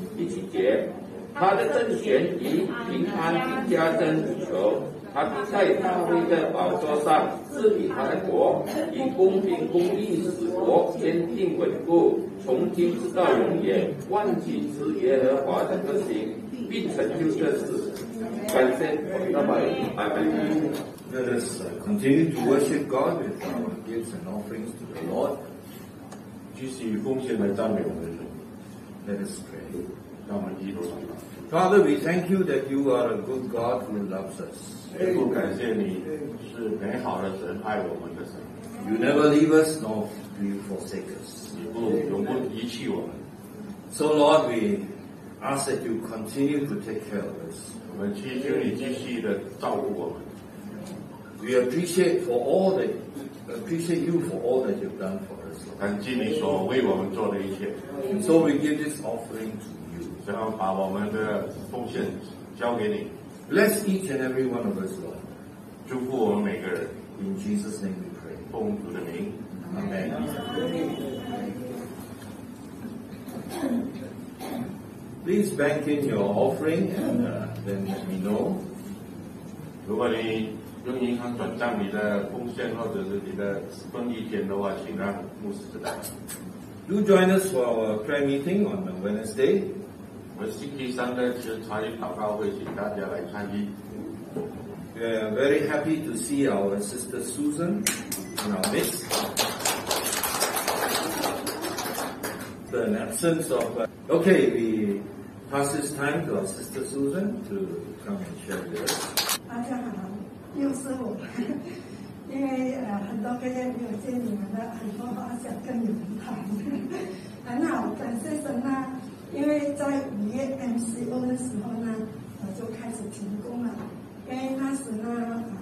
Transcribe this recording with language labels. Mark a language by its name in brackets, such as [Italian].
[Chinese] 第七节，他的政权以平安并加增无穷，他必在大卫的宝座上治理他的国，以公平公义使国坚定稳固，从今直到永远，万军之耶和华的德行必成就这事。感谢我们的宝贝拜拜。 [English] Let us continue to worship God with our gifts and offerings to the Lord. [Chinese] 继续奉献来赞美我们的主。 [English] Let us pray. [Chinese] 让我们一同祷告。 [English] Father, we thank you that you are a good God who loves us. [Chinese] 天父，感谢你是美好的神，爱我们的神。 [English] You never leave us nor do you forsake us. [Chinese] 你不永不遗弃我们。 [English] So Lord, we ask that you continue to take care of us. [Chinese] 我们祈求你继续的照顾我们。 [English] We appreciate you for all that you've done for us. [Chinese] 感激你所为我们做的一切。 [English] So we give this offering to you. [Chinese] 然后把我们的奉献交给你。 [English] Bless each and every one of us, Lord. [Chinese] 祝福我们每个人。 [English] In Jesus' name we pray. [Chinese] 奉主的名。 [English] Amen. Please bank in your offering and then let me know. [Chinese] 如果你用银行转账你的奉献或者是你的分一点的话，请让牧师知道。 [English] Do join us for our prayer meeting on the Wednesday. [Chinese] 我星期三的是茶余祷告会，请大家来参与。 [English] We are very happy to see our sister Susan in our midst. The absence of okay, we pass this time to our sister Susan to come and share with us. [Chinese] 大家好。又是我，因为很多个月没有见你们的，很多话想跟你们谈。很好，感谢神呐、啊！因为在五月 MCO 的时候呢，我就开始停工了。因为那时呢，